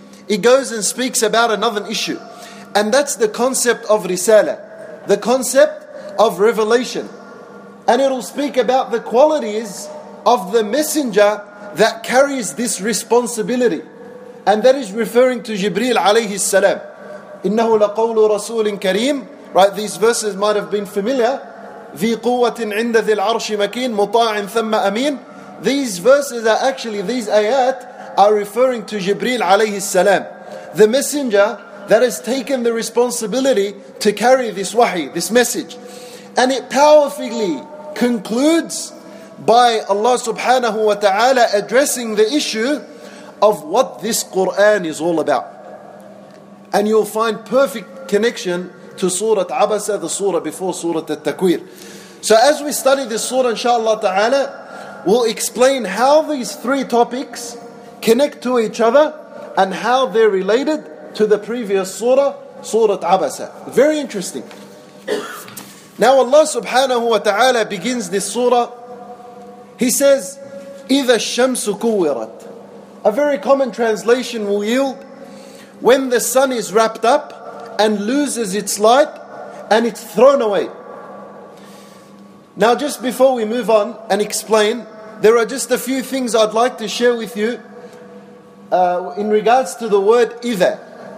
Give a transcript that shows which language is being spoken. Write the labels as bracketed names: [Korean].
[English] It goes and speaks about another issue. And that's the concept of risala, the concept of revelation. And it'll speak about the qualities of the messenger that carries this responsibility. And that is referring to Jibreel alayhi salam. [Arabic] إِنَّهُ لَقَوْلُ رَسُولٍ كَرِيمٍ. [English] Right, these verses might have been familiar, [Arabic] ذي قوة عند ذي العرش مكين مطاع ثم أمين. [English] These verses are actually, these ayat are referring to Jibreel alayhi salam, the messenger that has taken the responsibility to carry this wahi, this message. And it powerfully concludes by Allah subhanahu wa ta'ala addressing the issue of what this Qur'an is all about. And you'll find perfect connection to Surah Abasa, the surah before Surah At-Takwir. So as we study this surah, inshallah ta'ala, we'll explain how these three topics connect to each other and how they're related to the previous surah, Surah Abasa. Very interesting. Now Allah subhanahu wa ta'ala begins this surah. He says, [Arabic] إِذَا الشَّمْسُ كُوِّرَتْ. [English] A very common translation will yield, when the sun is wrapped up and loses its light and it's thrown away. Now just before we move on and explain, there are just a few things I'd like to share with you in regards to the word إِذَا.